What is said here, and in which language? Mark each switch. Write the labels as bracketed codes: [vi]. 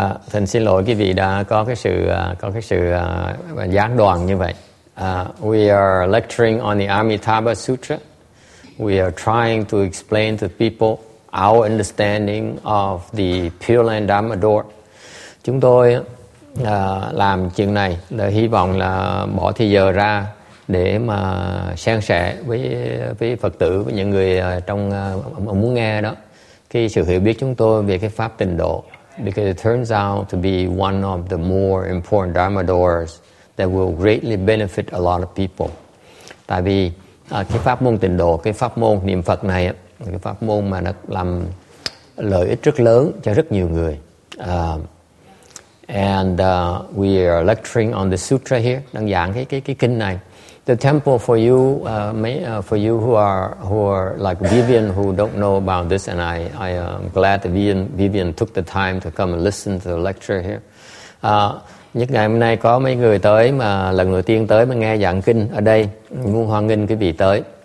[vi] Thành xin lỗi quý vị đã có cái sự gián đoạn như vậy. [en] We are lecturing on the Amitabha Sutra. We are trying to explain to people our understanding of the Pure Land Dharma Door. [vi] Chúng tôi làm chuyện này để hy vọng là bỏ thời giờ ra để mà san sẻ với Phật tử, với những người trong muốn nghe đó, cái sự hiểu biết chúng tôi về cái pháp tịnh độ. [en] Because it turns out to be one of the more important dharma doors that will greatly benefit a lot of people. [vi] Tại vì cái pháp môn tịnh độ, cái pháp môn niệm Phật này, cái pháp môn mà nó làm lợi ích rất lớn cho rất nhiều người. [en] We are lecturing on the sutra here, [vi] đang giảng cái kinh này. [en] The temple for you, for you who are like Vivian, who don't know about this, and I am glad that Vivian took the time to come and listen to the lecture here. [vi] Nhất ngày hôm nay có mấy người tới mà lần đầu tiên tới mà nghe giảng kinh ở đây, muốn hoan nghênh quý vị tới.